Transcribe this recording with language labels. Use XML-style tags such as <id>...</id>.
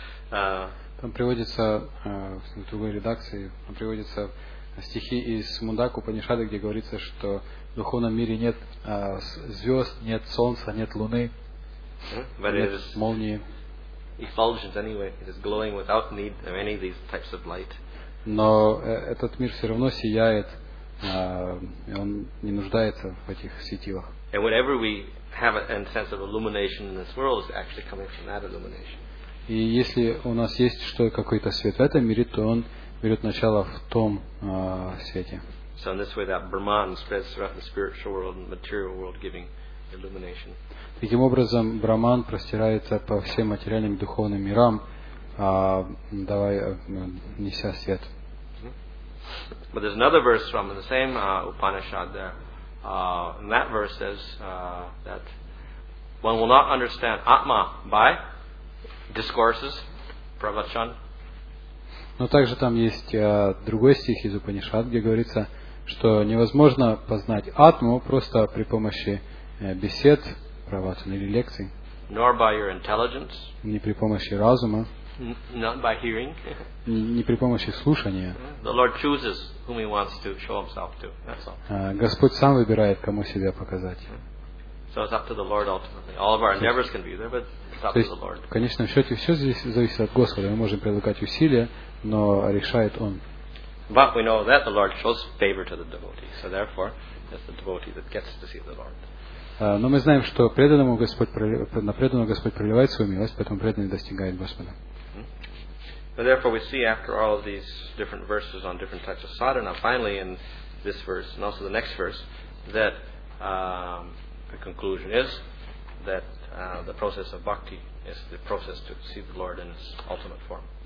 <ru>Там приводится в другой редакции, там приводятся стихи из Мундака Упанишады, где говорится, что в духовном мире нет звезд, нет солнца, нет луны, нет молнии.</ru> <en>Effulgent anyway, it is glowing without need of any of these types of light.</en> <ru>Но этот мир все равно сияет, и он не нуждается в этих светилах.</ru> <en>And whenever we have a sense of illumination in this world, it's actually coming from that illumination.</en> <ru>И если у нас есть какой-то свет в этом мире, то он берет начало в том свете.</ru> <en>So in this way, that Brahman spreads throughout the spiritual world and material world, giving illumination.</en> <ru>Таким образом, Брахман простирается по всем материальным и духовным мирам. Неся свет.</ru> <en>But there's another verse from the same Upanishad there. And that verse says that one will not understand Atma by discourses, pravachan.</en> <ru>Но также там есть другой стих из Упанишад, где говорится, что невозможно познать Атму просто при помощи бесед, правачан или лекций.</ru> <en>Nor by your intelligence.</en> <ru>Не при помощи разума.</ru> <en>Not by hearing.</en> <ru>Не при помощи слушания.</ru> <en>The Lord chooses whom He wants to show Himself to. That's all.</en> <ru>Господь сам выбирает, кому себя показать.</ru> <en>So So it's up to the Lord ultimately. All of our endeavors can be there, but it's up to the Lord.</en> <ru>В конечном счете все здесь зависит от Господа. Мы можем прилагать усилия, но решает Он.</ru> <en>But we know that the Lord shows favor to the devotee. So therefore, it's the devotee that gets to see the Lord.</en> <ru>Но мы знаем, что преданному Господь, на преданного Господь проливает свою милость, поэтому преданный достигает Господа.</ru> <en>So therefore we see after all of these different verses on different types of sadhana, finally in this verse and also the next verse, that the conclusion is that the process of bhakti is the process to see the Lord in its ultimate form.</en>